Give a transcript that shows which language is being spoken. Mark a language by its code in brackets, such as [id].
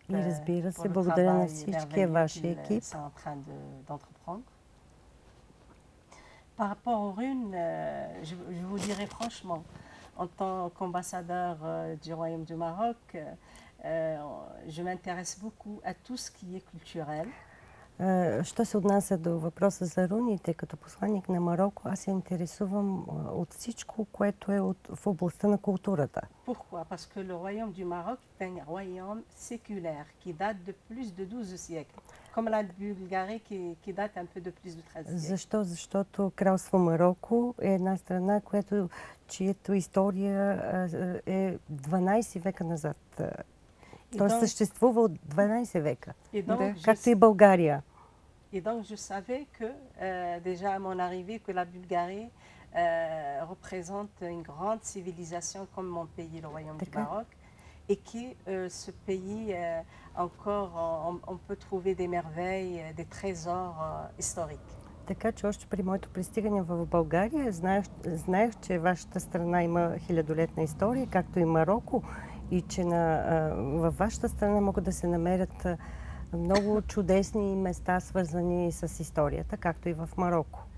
[bg] И разбира се, благодаря на всички ваша екип. [fr] Sont en train d'entreprendre. Par rapport aux runes, je vous dirai franchement, en tant qu'ambassadeur du Royaume du Maroc, je m'intéresse beaucoup à tout ce qui est culturel. [bg] Що се отнася до въпроса за руните, като посланник на Марокко, аз се интересувам от всичко, което е в областта на културата. [fr] Pourquoi? Parce que le royaume du Maroc est un royaume séculaire qui date de plus de 12 siècles. Comme la Bulgarie qui date un peu de plus de 13 siècles. [bg] Защо? Защото кралство Марокко е една страна, която, чието история е 12 века назад. Той съществува от 12 века, както и България. И [fr] donc je savais que déjà à mon arrivée que la Bulgarie représente une grande civilisation comme mon pays, le royaume du Maroc, et que ce pays encore on peut trouver des merveilles, des trésors historiques. [bg] Така че още при моето пристигане в България знаех, че вашата страна има хилядолетна история, както и Марокко. И че във вашата страна могат да се намерят много чудесни места, свързани с историята, както и в Марокко.